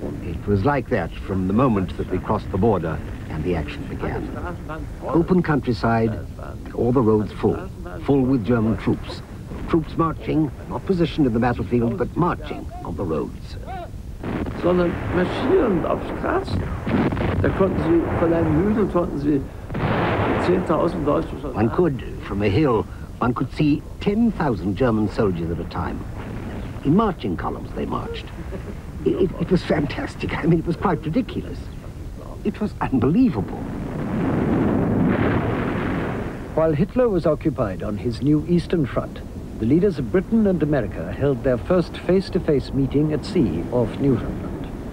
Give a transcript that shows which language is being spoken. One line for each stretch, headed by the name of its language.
English: It was like that from the moment that we crossed the border and the action began. Open countryside, all the roads full, full with German troops. Troops marching, not positioned in the battlefield, but marching on the roads.
German: Sondern marschierend auf Straßen. Da konnten sie von einem Hügel konnten sie 10,000 Deutsche Soldaten.
English: One could, from a hill, one could see 10,000 German soldiers at a time. In marching columns they marched. It was fantastic. I mean, it was quite ridiculous. It was unbelievable. While Hitler was occupied on his new Eastern Front, the leaders of Britain and America held their first face-to-face meeting at sea off Newfoundland.